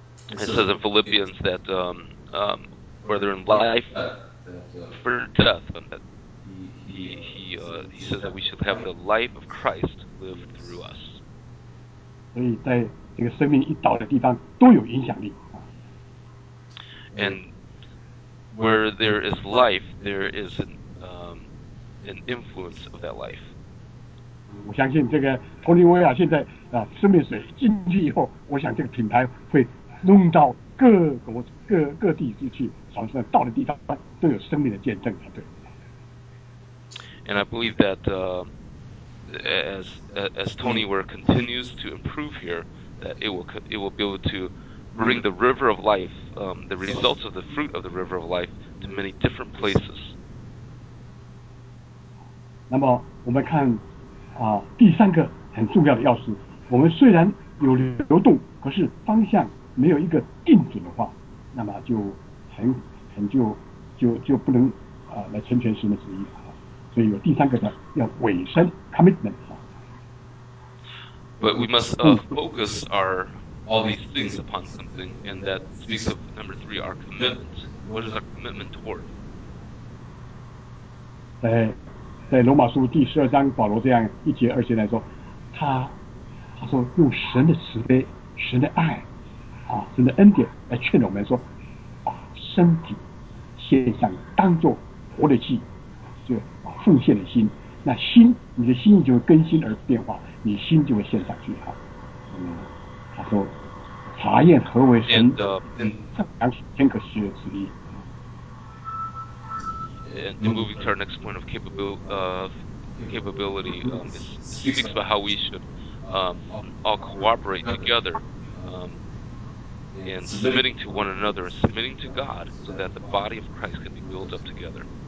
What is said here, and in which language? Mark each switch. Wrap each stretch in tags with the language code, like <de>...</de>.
<en>It says in Philippians that, whether in life or death, that he says that we should have the life of Christ live through us. And where there is life, there is an influence of that life.</en> <zh>我相信这个托尼威亚现在啊，生命水进去以后，我想这个品牌会弄到各国各地去，好像到的地方都有生命的见证才对。</zh> <en>And I believe that as Tony Ware continues to improve here, that it will be able to bring the river of life, the results of the fruit of the river of life, to many different places.</en> <zh>那么我们看。啊，第三个很重要的要素，我们虽然有流动，可是方向没有一个定准的话，那么就很就不能啊来成全神的旨意啊。所以有第三个的要委身 commitment 啊。</zh> <en>But we must focus our all these things upon something, and that speaks of number three, our commitment. What is our commitment toward? 哎。</en> <zh>在罗马书第十二章，保罗这样一节二节来说，他说用神的慈悲、神的爱，啊，神的恩典来劝我们说，把身体献上当作活的祭，就把奉献的心，那心，你的心意就会更新而变化，你心就会献上去啊。嗯，他说查验何为神圣良天可喜悦之意。</zh> <en>And moving to our next point of capability, it speaks about how we should all cooperate together in submitting to one another, submitting to God, so that the body of Christ can be built up together.</en>